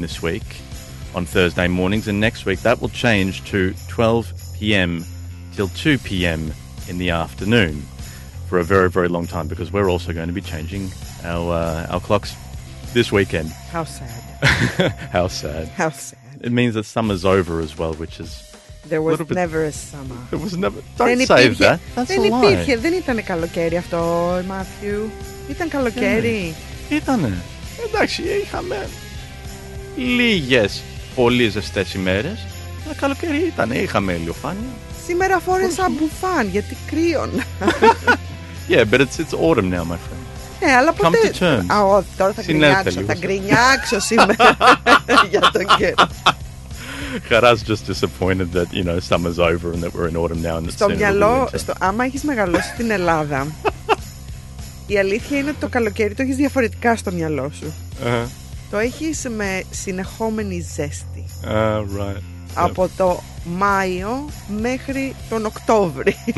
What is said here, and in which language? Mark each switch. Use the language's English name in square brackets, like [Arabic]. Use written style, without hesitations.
[English] this week on Thursday mornings. And next week, that will change to 12 p.m. till 2 p.m. in the afternoon for a very, very long time, because we're also going to be changing our clocks this weekend. How sad. How sad. How sad. It means that summer's over as well, which is... There was never a summer. There was never... Don't save that. That's a lie. [Greek] Δεν υπήρχε. Δεν ήταν καλοκαίρι αυτό, Μάθιου. Ήταν καλοκαίρι. Ήτανε. Εντάξει, είχαμε λίγες, πολύ ζεστές ημέρες. Αλλά καλοκαίρι ήταν. Είχαμε ηλιοφάνεια. Σήμερα φόρεσα μπουφάν, γιατί κρύωνα. [English] Yeah, but it's autumn now, my friend. [Greek] Ναι, αλλά ποτέ... [English] Come to terms. [Greek] Α, όχι, τώρα θα γκρινιάξω. Θα γκρινιάξω σήμερα για τον καιρό. [English] Χαράς just disappointed that, you know, summer's over and that we're in autumn now. [Greek] Στο μυαλό, άμα έχεις μεγαλώσει στην Ελλάδα, η αλήθεια είναι ότι το καλοκαίρι το έχεις διαφορετικά στο μυαλό σου. Το έχεις με συνεχόμενη ζέστη. [English] Right. [Greek] Από το Μάιο μέχρι τον Οκτώβρη.